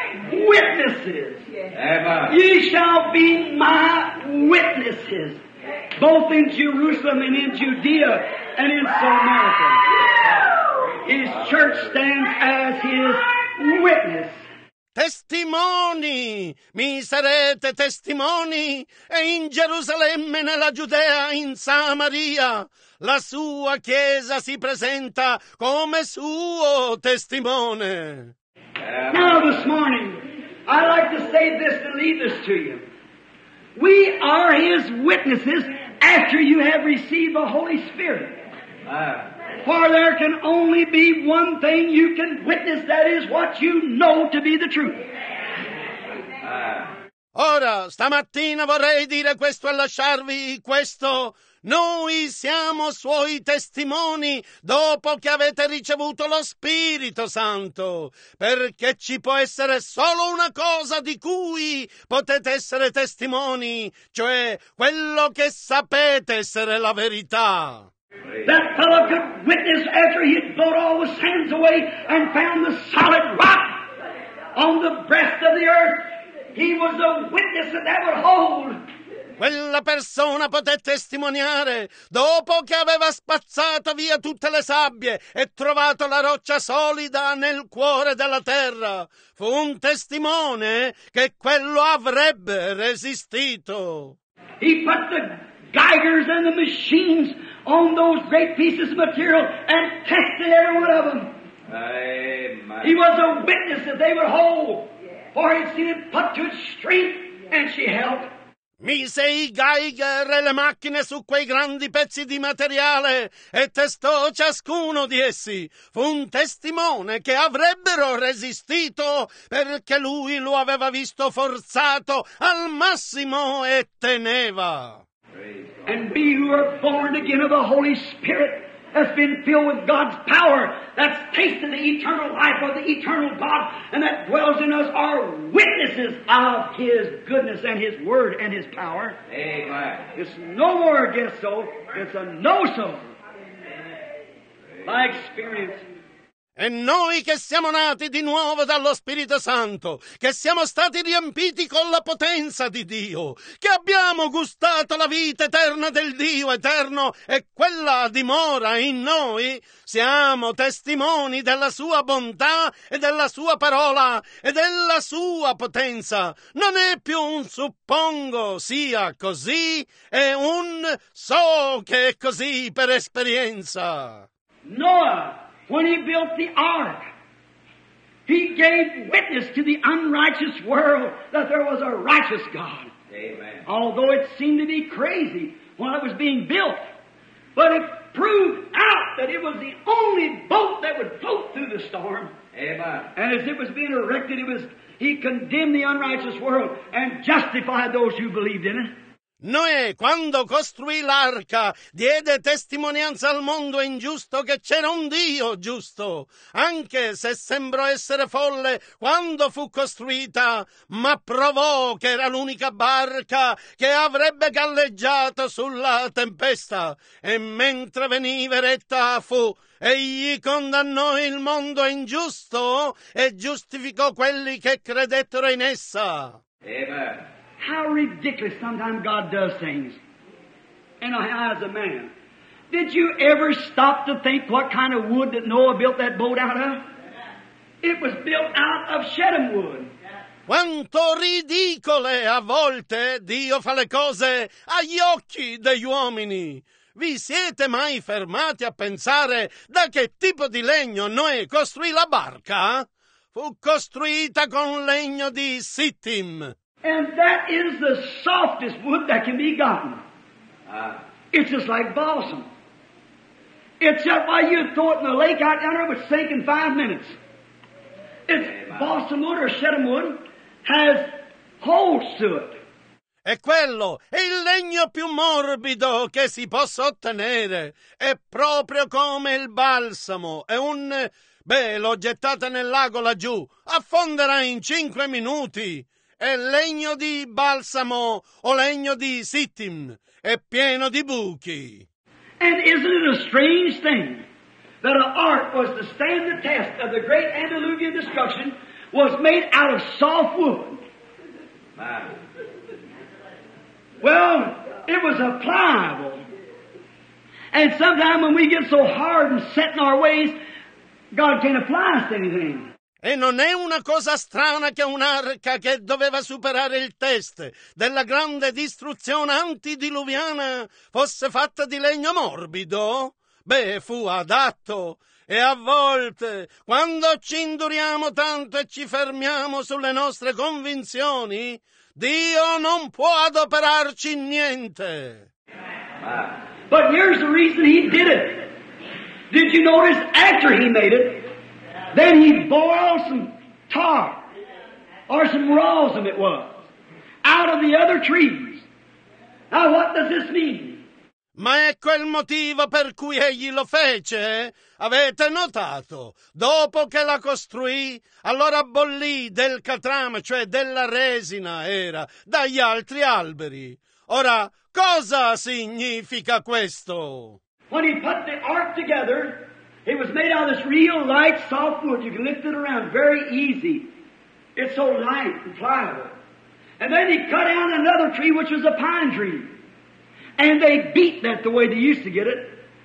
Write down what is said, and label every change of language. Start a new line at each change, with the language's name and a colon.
English: Witnesses, ye shall be my witnesses, both in Jerusalem and in Judea and in Samaria. His church stands as his witness.
Italian: Testimoni, mi sarete testimoni, e in Gerusalemme, nella Giudea, in Samaria, la sua chiesa si presenta come suo testimone.
English: Now this morning, I like to say this to lead this to you. We are his witnesses after you have received the Holy Spirit. For there can only be one thing you can witness, that is what you know to be the truth.
Italian: Ora, stamattina vorrei dire questo e lasciarvi questo. Noi siamo suoi testimoni dopo che avete ricevuto lo Spirito Santo, perché ci può essere solo una cosa di cui potete essere testimoni, cioè quello che sapete essere la verità.
English: That fellow could witness after he had blown all the sands away and found the solid rock on the breast of the earth. He was a witness that that would hold.
Italian: Quella persona poté testimoniare, dopo che aveva spazzato via tutte le sabbie e trovato la roccia solida nel cuore della terra, fu un testimone che quello avrebbe resistito.
English: He put the geigers and the machines on those great pieces of material and tested every one of them. Amen. He was a witness that they would hold, for he'd seen it put to its strength and she held.
Italian: Mise i Geiger e le macchine su quei grandi pezzi di materiale e testò ciascuno di essi. Fu un testimone che avrebbero resistito perché lui lo aveva visto forzato al massimo e teneva.
English: And we who are born again of the Holy Spirit has been filled with God's power, that's tasted the eternal life of the eternal God, and that dwells in us, are witnesses of His goodness and His word and His power. Amen. It's no more a guess so, it's a know so. By experience.
Italian: E noi che siamo nati di nuovo dallo Spirito Santo, che siamo stati riempiti con la potenza di Dio, che abbiamo gustato la vita eterna del Dio eterno e quella dimora in noi, siamo testimoni della sua bontà e della sua parola e della sua potenza. Non è più un suppongo sia così, è un so che è così per esperienza.
English: Noah, when he built the ark, he gave witness to the unrighteous world that there was a righteous God. Amen. Although it seemed to be crazy while it was being built, but it proved out that it was the only boat that would float through the storm. Amen. And as it was being erected, he condemned the unrighteous world and justified those who believed in it.
Italian: Noè, quando costruì l'arca, diede testimonianza al mondo ingiusto che c'era un Dio giusto, anche se sembrò essere folle quando fu costruita, ma provò che era l'unica barca che avrebbe galleggiato sulla tempesta, e mentre veniva eretta fu... Egli condannò il mondo ingiusto e giustificò quelli che credettero in essa. Amen.
English: How ridiculous sometimes God does things in the eyes of man. Did you ever stop to think what kind of wood that Noah built that boat out of? It was built out of shittim wood.
Italian: Quanto ridicole a volte Dio fa le cose agli occhi degli uomini. Vi siete mai fermati a pensare da che tipo di legno Noè costruì la barca? Fu costruita con legno di Sittim.
English: And that is the softest wood that can be gotten. It's just like balsam. It's just why you throw it in the lake out there, it would sink in 5 minutes. It's balsam wood or shittim wood has holes to it.
Italian: E quello è il legno più morbido che si possa ottenere. È proprio come il balsamo. È un... Beh, l'ho gettata nel lago laggiù. Affonderà in 5 minuti. È legno di balsamo o legno di Sittim. È pieno di buchi.
English: And isn't it a strange thing that an ark was to stand the test of the great antediluvian destruction was made out of soft wood? Well, it was a pliable. And sometimes when we get so hard and set in our ways, God can't apply us to anything.
Italian: E non è una cosa strana che un'arca che doveva superare il test della grande distruzione antidiluviana fosse fatta di legno morbido? Beh, fu adatto. E a volte, quando ci induriamo tanto e ci fermiamo sulle nostre convinzioni... Dio non può adoperarci in niente.
English: But here's the reason he did it. Did you notice after he made it, then he boiled some tar, or some rosin it was, out of the other trees. Now what does this mean?
Italian: Ma ecco il motivo per cui egli lo fece. Avete notato? Dopo che la costruì, allora bollì del catrame, cioè della resina era, dagli altri alberi. Ora, cosa significa questo?
English: When he put the ark together, it was made out of this real light, soft wood. You can lift it around very easy. It's so light and pliable. And then he cut down another tree, which was a pine tree. And they beat that the way they used to get it.